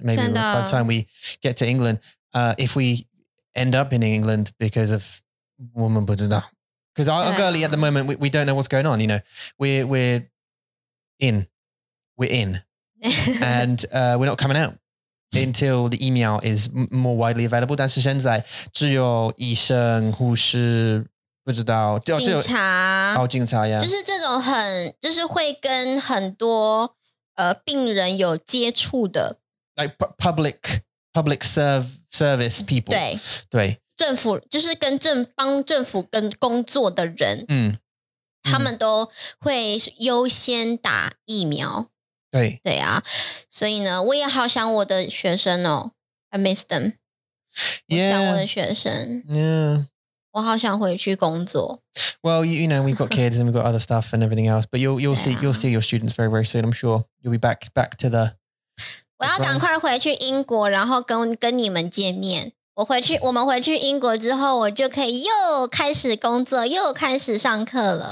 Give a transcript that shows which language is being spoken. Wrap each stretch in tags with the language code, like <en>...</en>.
<en>Maybe by the time we get to England,、if we end up in England because of</en> <zh>我们不知道</zh> <en>Because our girlie at the moment, we don't know what's going on. You know, we're in. And、we're not coming out until the 疫苗 is more widely available.</en> <zh>但是现在只有医生、护士不知道警察呀就是这种很就是会跟很多病人有接触的</zh> <en>like public service people</en> <zh>对对政府就是跟政帮政府跟工作的人嗯他们都会优先打疫苗对对啊所以呢我也好想我的学生哦</zh> <en>I miss them、 yeah.</en> <zh>我想我的学生</zh> <en>yeah</en> <zh>我好想回去工作。</zh> <en>Well, you know, we've got kids and we've got other stuff and everything else, but you'll see your students very, very soon, I'm sure. You'll be back to the...</en> <zh>我要赶快回去英国,然后跟你们见面。我们回去英国之后,我就可以又开始工作,又开始上课了。</zh>